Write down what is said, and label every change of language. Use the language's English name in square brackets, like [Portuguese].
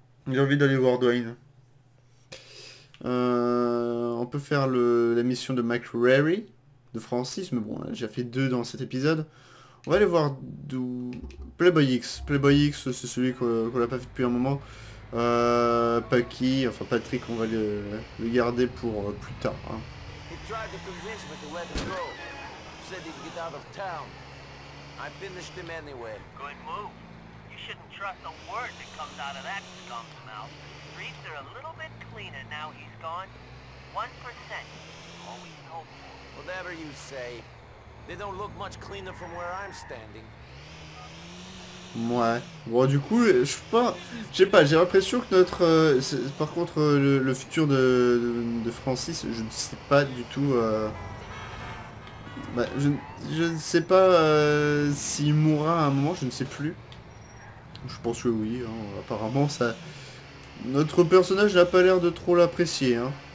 [French] J'ai envie d'aller voir Dwayne. On peut faire la mission de McCreary, de Francis, mais bon, j'ai fait deux dans cet épisode. On va aller voir Playboy X. Playboy X, c'est celui qu'on n'a pas vu depuis un moment. Paki, enfin Patrick, on va le garder pour plus tard. Hein. [English] He tried to convince me to let him go. Said he'd get out of town. I finished him anyway. Good move. You shouldn't trust a word that comes out of that skunk's mouth. The streets are a little bit cleaner now he's gone. 1%. All we hope for. Whatever you say. They don't look much cleaner from where I'm standing. [French] Ouais, bon du coup, je sais pas, j'ai l'impression que notre, par contre, le futur de Francis, je ne sais pas du tout, je ne sais pas s'il mourra à un moment, je ne sais plus, je pense que oui, hein, apparemment, ça, notre personnage n'a pas l'air de trop l'apprécier, hein.